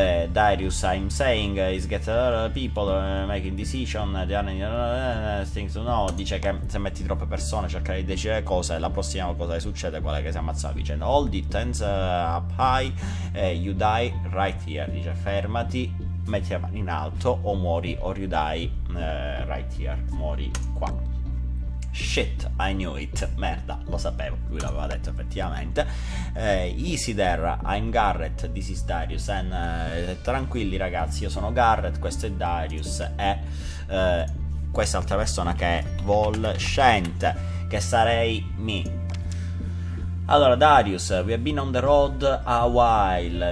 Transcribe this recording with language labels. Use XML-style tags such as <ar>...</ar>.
<en>Darius, I'm saying, is get a lot of people making decisions. Things to know.</en> <it>Dice che se metti troppe persone a cercare di decidere cose, la prossima cosa che succede è quella che si ammazza la vicenda.</it> <en>Hold it, hands up high. You die right here.</en> <it>Dice: fermati. Metti la mano in alto o muori,</it> <en>or you die right here.</en> <it>Muori qua.</it> <en>Shit, I knew it.</en> <it>Merda, lo sapevo. Lui l'aveva detto effettivamente.</it> <en>Easy there, I'm Garrett. This is Darius.</en> <it>Tranquilli ragazzi, io sono Garrett. Questo è Darius. E quest'altra persona che è Volscente, che sarei me.</it> <en>Allora, Darius, we have been on the road a while.</en>